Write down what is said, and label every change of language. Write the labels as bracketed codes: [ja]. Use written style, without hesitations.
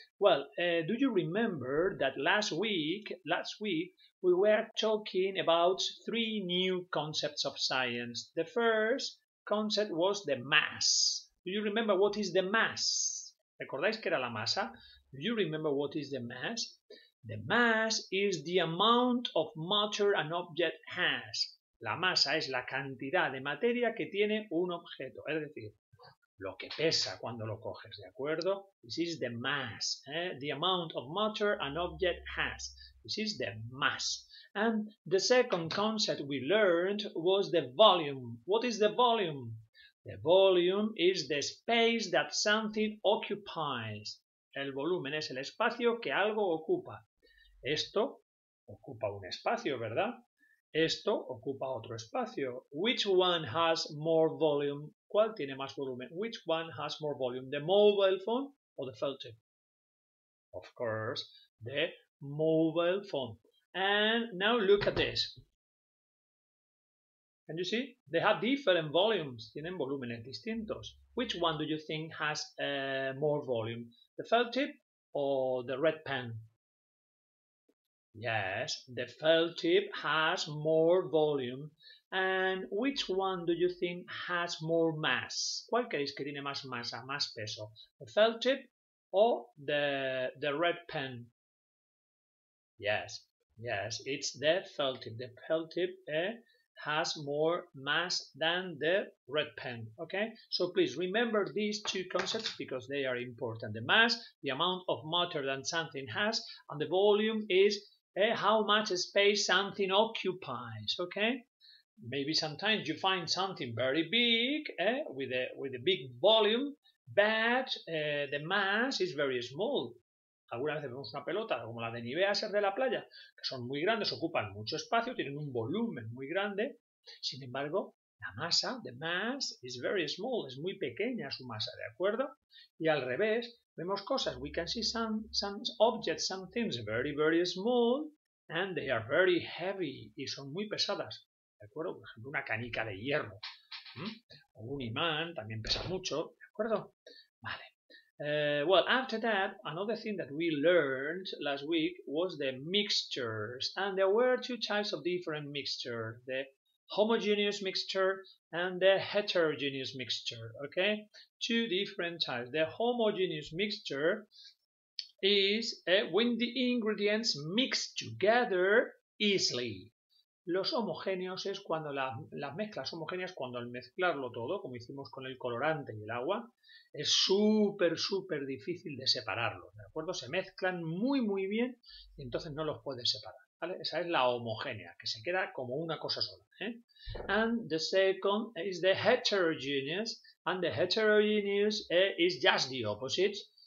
[en] Well, do you remember that last week, we were talking about three new concepts of science? The first concept was the mass. Do you remember what is the mass? [es] ¿Recordáis que era la masa? [en] Do you remember what is the mass? The mass is the amount of matter an object has. [es] La masa es la cantidad de materia que tiene un objeto. Es decir, lo que pesa cuando lo coges, ¿de acuerdo? [en] This is the mass. The amount of matter an object has. This is the mass. And the second concept we learned was the volume. What is the volume? The volume is the space that something occupies. [es] El volumen es el espacio que algo ocupa. Esto ocupa un espacio, ¿verdad? Esto ocupa otro espacio. [en] Which one has more volume? [es] ¿Cuál tiene más volumen? [en] Which one has more volume? ¿The mobile phone or the felt tip? Of course, the mobile phone. And now look at this. Can you see? They have different volumes. [es] Tienen volúmenes distintos. [en] Which one do you think has more volume? The felt tip or the red pen? Yes, the felt tip has more volume. And which one do you think has more mass? [es] ¿Cuál creéis que tiene más masa, más peso? [en] The felt tip or the red pen? Yes, it's the felt tip. The felt tip has more mass than the red pen, okay? So please remember these two concepts because they are important. The mass, the amount of matter that something has, and the volume is how much space something occupies, okay? Maybe sometimes you find something very big, with a big volume, but the mass is very small. [es] Algunas veces vemos una pelota, como la de Nivea, ser de la playa, que son muy grandes, ocupan mucho espacio, tienen un volumen muy grande. Sin embargo, la masa, [en] the mass, is very small, [es] es muy pequeña su masa, ¿de acuerdo? Y al revés, vemos cosas, [en] we can see some objects, some things very, very small, and they are very heavy, [es] y son muy pesadas, ¿de acuerdo? Por ejemplo, una canica de hierro, o un imán, también pesa mucho, ¿de acuerdo? Vale. [en] Well, after that, another thing that we learned last week was the mixtures. And there were two types of different mixtures, the homogeneous mixture and the heterogeneous mixture, okay? Two different types. The homogeneous mixture is when the ingredients mix together easily. [es] Los homogéneos es cuando las mezclas homogéneas, cuando al mezclarlo todo, como hicimos con el colorante y el agua, es súper, súper difícil de separarlos, ¿de acuerdo? Se mezclan muy, muy bien y entonces no los puedes separar, ¿vale? Esa es la homogénea, que se queda como una cosa sola, ¿eh? [en] And the second is the heterogeneous, and the heterogeneous is just the opposite.